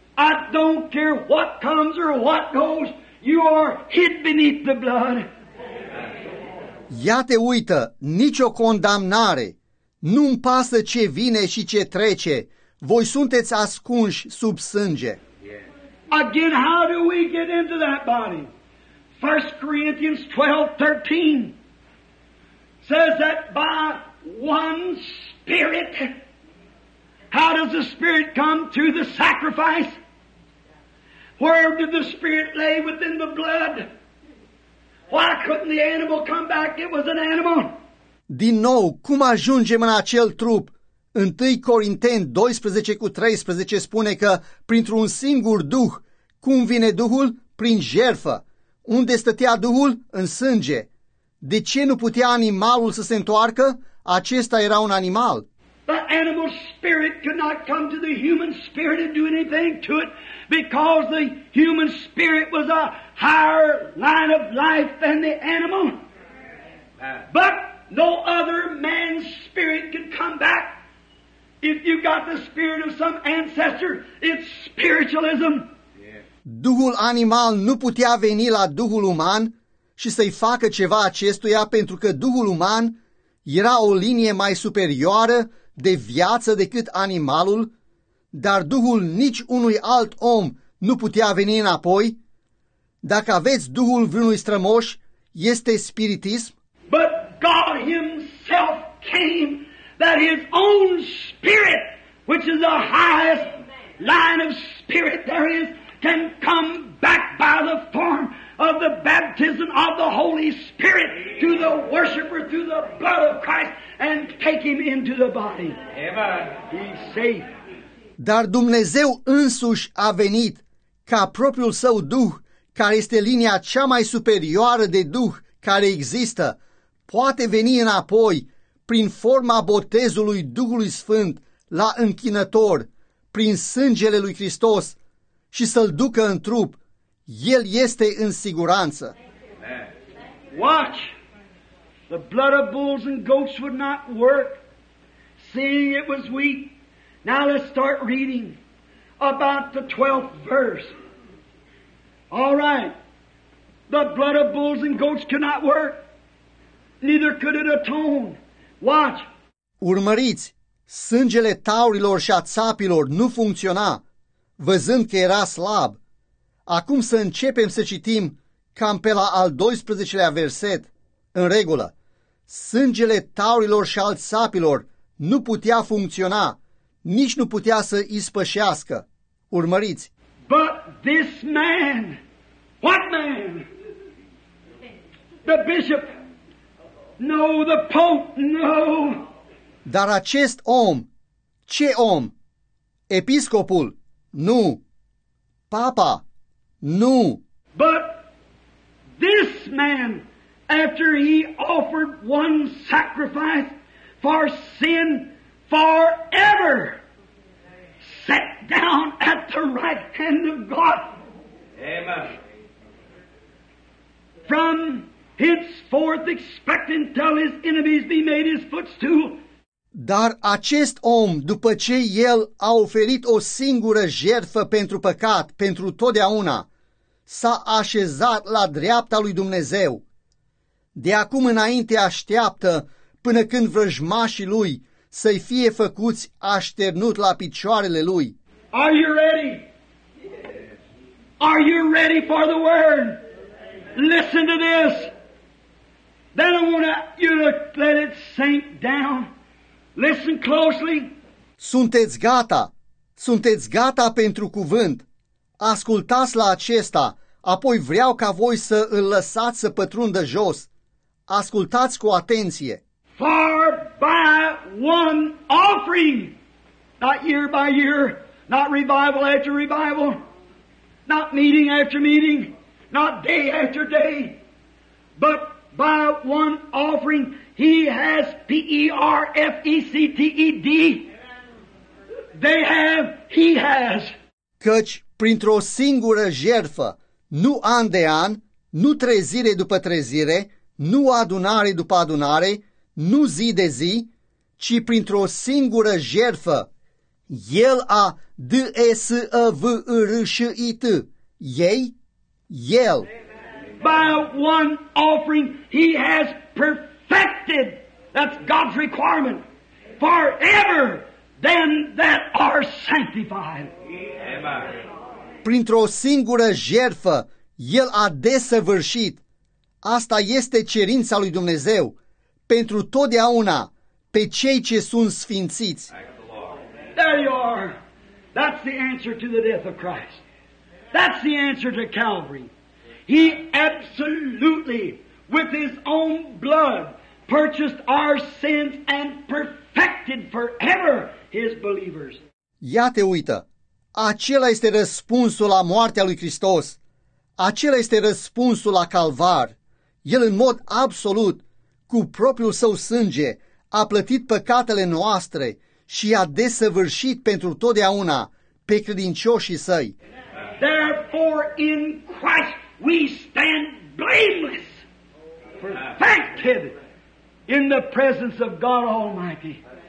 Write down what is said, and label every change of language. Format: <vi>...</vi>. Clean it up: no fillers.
<en>I don't care what comes or what goes, you are hid beneath the blood.</en> <ro>Iată, uită, nicio condamnare. Nu-mi pasă ce vine și ce trece. Voi sunteți ascunși sub sânge.</ro> <en>Again, how do we get into that body? 1 Corinthians 12:13 says that by one spirit. How does the spirit come? Through the sacrifice. Where did the spirit lay? Within the blood. Why couldn't the animal come back? It was an animal.</en> <ro>Din nou, cum ajungem în acel trup? 1 Corinteni 12:13 spune că printr-un singur duh, cum vine Duhul? Prin jertfă. Unde stătea Duhul? În sânge. De ce nu putea animalul să se întoarcă? Acesta era un animal.</ro> <en>The animal spirit could not come to the human spirit and do anything to it, because the human spirit was a higher line of life than the animal. But no other man's spirit could come back. If you got the spirit of some ancestor, it's spiritualism.</en> <ro>Duhul animal nu putea veni la Duhul uman și să-i facă ceva acestuia, pentru că Duhul uman era o linie mai superioară de viață decât animalul, dar Duhul nici unui alt om nu putea veni înapoi. Dacă aveți Duhul vreunui strămoș, este spiritism.</ro> <en>But God himself came, that his own spirit, which is the highest line of spirit there is, can come back by the form of the baptism of the Holy Spirit to the worshiper through the blood of Christ and take him into the body. He's safe.</en> <ro>Dar Dumnezeu însuși a venit ca propriul său Duh, care este linia cea mai superioară de Duh care există, poate veni înapoi prin forma botezului Duhului Sfânt la închinător, prin sângele lui Hristos, și să-l ducă în trup. El este în siguranță.</ro> <en>Watch. The blood of bulls and goats would not work, seeing it was weak. Now let's start reading about the 12th verse. All right. The blood of bulls and goats could not work. Neither could it atone. Watch.</en> <ro>Urmăriți, sângele taurilor și a țapilor nu funcționa, văzând că era slab. Acum să începem să citim cam pe la al 12-lea verset. În regulă, sângele taurilor și al țapilor nu putea funcționa, nici nu putea să ispășească. Urmăriți.</ro> <en>But this man, what man? The bishop, No, the Pope, no!</en> <ro>Dar acest om, ce om? Episcopul, nu. Papa, nu.</ro> <en>But this man, after he offered one sacrifice for sin forever, sat down at the right hand of God. Amen. From henceforth expectant till his enemies be made his footstool.</en> <ro>Dar acest om, după ce el a oferit o singură jertfă pentru păcat, pentru totdeauna, s-a așezat la dreapta lui Dumnezeu. De acum înainte așteaptă până când vrăjmașii lui să-i fie făcuți așternut la picioarele lui.</ro> <en>Are you ready? Are you ready for the word? Listen to this. Then I want you to let it sink down. Listen closely.</en> <ro>Sunteți gata? Sunteți gata pentru cuvânt? Ascultați la acesta, apoi vreau ca voi să îl lăsați să pătrundă jos. Ascultați cu atenție.</ro> <en>For by one offering, not year by year, not revival after revival, not meeting after meeting, not day after day, but by one offering, he has perfected, they have, he has.</en> <ro>Căci printr-o singură jertfă, nu an de an, nu trezire după trezire, nu adunare după adunare, nu zi de zi, ci printr-o singură jertfă, el a dăsăvârșit, ei, el.</ro> <en>By one offering, he has perfected, that's God's requirement, forever than that are sanctified. Amen.</en> <ro>Printr-o singură jertfă, el a desăvârșit. Asta este cerința lui Dumnezeu pentru totdeauna pe cei ce sunt sfințiți.</ro> <en>There you are. That's the answer to the death of Christ. That's the answer to Calvary. He absolutely, with his own blood, purchased our sins and perfected forever his believers.</en> <ro>Iată, uită. Acela este răspunsul la moartea lui Hristos. Acela este răspunsul la Calvar. El în mod absolut, cu propriul său sânge, a plătit păcatele noastre și a desăvârșit pentru totdeauna pe credincioșii săi.</ro> <en>Therefore, in Christ we stand blameless, perfected in the presence of God Almighty.</en>